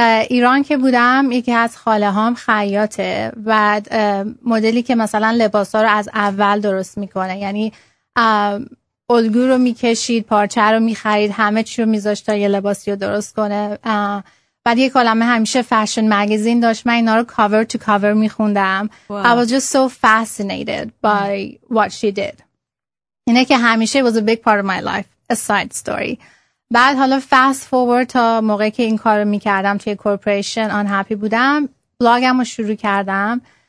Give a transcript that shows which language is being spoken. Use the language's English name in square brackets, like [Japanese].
[Persian] ایران که بودم یکی از خاله هام خیاطه و مدلی که مثلا لباسا رو از اول درست میکنه، یعنی الگو رو میکشید، پارچه رو میخرید، همه چی رو میذاشت تا یه لباسی رو درست کنه. بعد یه کلمه همیشه فشن مگزین داشت، من اینا رو [English] cover to cover [Persian] میخوندم. [English] Wow. I was just so fascinated by what she did. [Persian] اینه که همیشه [English] was a big part of my life, a side story. [Persian] بعد حالا fast forward تا موقعی که این کار رو میکردم توی corporation unhappy بودم، بلاگم رو شروع کردم.